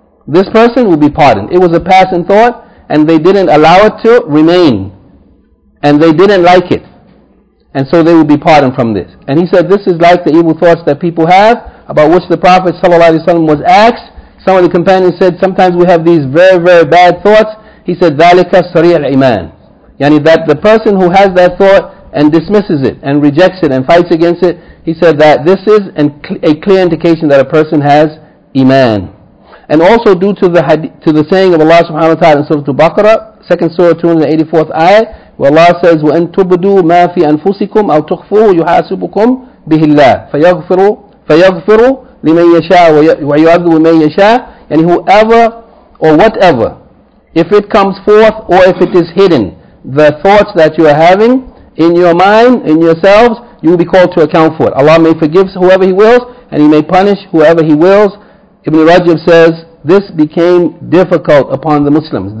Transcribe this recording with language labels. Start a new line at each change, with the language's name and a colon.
English: This person will be pardoned. It was a passing thought, and they didn't allow it to remain, and they didn't like it, and so they would be pardoned from this. And he said, this is like the evil thoughts that people have, about which the Prophet ﷺ was asked. Some of the companions said, sometimes we have these very, very bad thoughts.
Arabic: He said, ذَلِكَ سَرِيعَ الْإِيمَانِ.
English: Yani that the person who has that thought and dismisses it and rejects it and fights against it, he said that this is a clear indication that a person has iman. And also due to the saying of Allah subhanahu wa ta'ala in Surah Al-Baqarah, second surah, 284th ayah,
Arabic: Where Allah says, وَأَن تُبْدُوا مَا فِي أَنفُسِكُمْ أَوْ تُخْفُوهُ يُحَاسِبُكُمْ بِهِ اللَّهِ فَيَغْفِرُ لِمَنْ يَشَاءُ وَيُعَذِّبُ مَنْ يَشَاءُ.
English: And whoever or whatever, if it comes forth or if it is hidden, the thoughts that you are having in your mind, in yourselves, you will be called to account for it. Allah may forgive whoever He wills, and He may punish whoever He wills. Ibn Rajab says, this became difficult upon the Muslims.